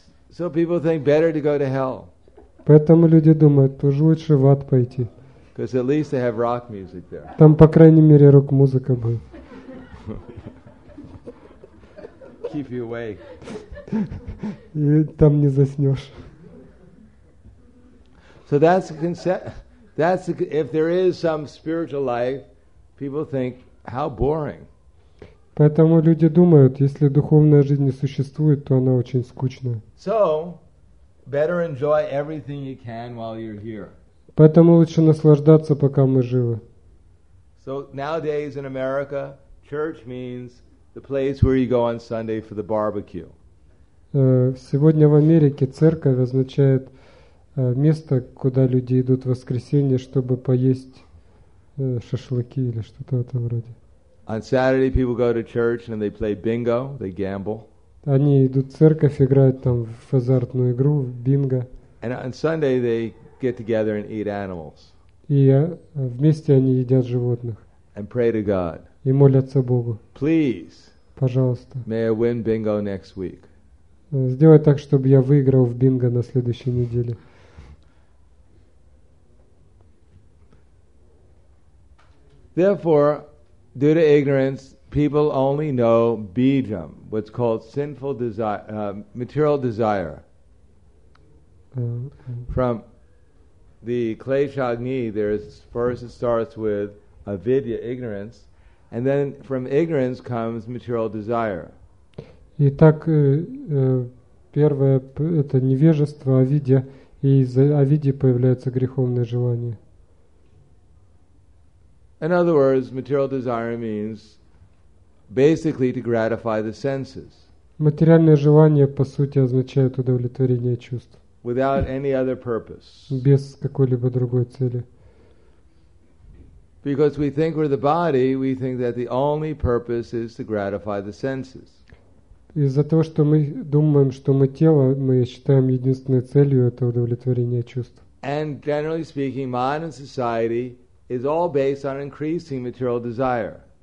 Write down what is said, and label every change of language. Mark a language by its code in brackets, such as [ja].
[en] So people think better to go to hell. [ru] Поэтому люди думают, тоже лучше в ад пойти. [en] Because at least they have rock music there. [ru] Там по крайней мере рок-музыка будет. [en] Keep you awake. [ru] И там не заснешь. [en] So if there is some spiritual life, people think, how boring. [ru] Поэтому люди думают, если духовная жизнь не существует, то она очень скучная. [en] So, better enjoy everything you can while you're here. [ru] Поэтому лучше наслаждаться, пока мы живы. [en] So, nowadays in America, church means the place where you go on Sunday for the barbecue. [ru] Сегодня в Америке церковь означает место, куда люди идут в воскресенье, чтобы поесть шашлыки или что-то в этом роде. [en] On Saturday people go to church and they play bingo, they gamble. [ru] Они идут в церковь, играют там в азартную игру, в бинго. [en] And on Sunday they get together and eat animals. [ru] И вместе они едят животных. [en] And pray to God. [ru] И молятся Богу. [en] Please, [ru] пожалуйста. [en] May I win bingo next week? [ru] Сделай так, чтобы я выиграл в бинго на следующей неделе. [en] Therefore, due to ignorance, people only know bijam, what's called sinful desire, material desire. From the klesha agni, it starts with avidya, ignorance, and then from ignorance comes material desire. [ru] Итак, первое – это невежество, авидья, и из-за авидьи появляется греховное желание. [en] In other words, material desire means basically to gratify the senses. [ru] Материальное желание, по сути, означает удовлетворение чувств. [en] Without any other purpose. [ru] Без какой-либо другой цели. [en] Because we think we're the body, we think that the only purpose is to gratify the senses. [ru] Из-за того, что мы думаем, что мы тело, мы считаем единственной целью это удовлетворение чувств. [en] And generally speaking, modern society is all based on increasing material desire.